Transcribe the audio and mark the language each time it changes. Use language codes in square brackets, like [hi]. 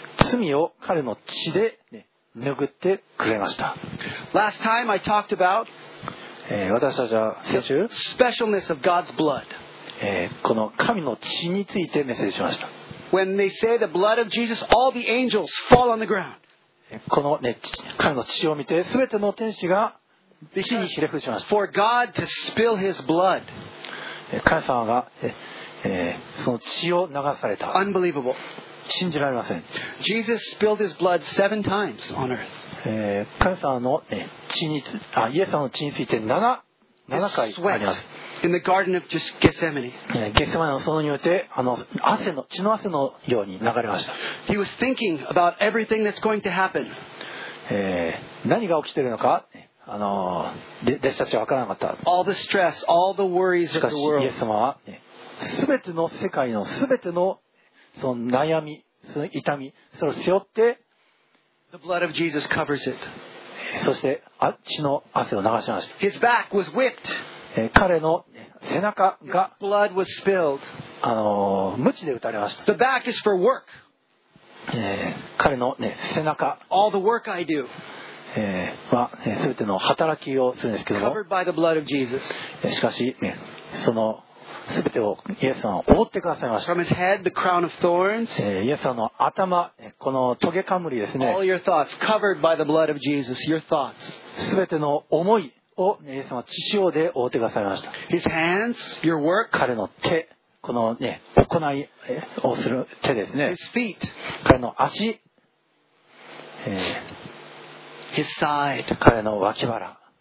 [ja] 罪を彼の血で、ね、拭ってくれました。 [en] Last time I talked about [ja] 私たちは先週 [en] specialness of God's blood. [ja] この神の血についてメッセージしました。 [en] When they say the blood of Jesus, all the angels fall on the ground. [ja] この、ね、彼の血を見て全ての天使が地にひれ伏しました。 [en] Because、for God to spill his blood. [ja] 神様が、その血を流された。 [en] Unbelievable. [ja] 信じられません。 [en] Jesus spilled his blood seven times on earth. [ja] 神様の血につ、あ、イエス様の血について7回あります。 [en] In the Garden of Gethsemane. [ja] ゲセマネの園において、血の汗のように流れました。 [en] He was thinking about everything that's going to happen. [ja] 何が起きているのか、弟子たちは分からなかった。 [en] All the stress, all the worries of the world. [ja] しかし、イエス様は、全ての世界の全てのその悩み、その痛み、それを背負って、 [en] The blood of Jesus covers it. [ja] そして血の汗を流しました。 [en] His back was whipped. [ja] 彼の背中が、 [en] blood was spilled. [ja] 鞭で打たれました。 [en] The back is for work. [ja] 彼の、ね、背中、 [en] All the work I do. [ja] は全ての働きをするんですけども、 [en] covered by the blood of Jesus. [ja] しかし、ね、その全てをイエス様は覆ってくださいました。 [en] From his head, the crown of thorns, [ja] イエス様の頭、このトゲかむりですね。 [en] All your thoughts covered by the blood of Jesus, your thoughts. [ja] 全ての思いをイエス様は血潮で覆ってくださいました。 [en] His hands, your work, [ja] 彼の手、このね行いをする手ですね。 [en] His feet. [ja] 彼の足。 [en] His side. [ja] 彼の脇腹。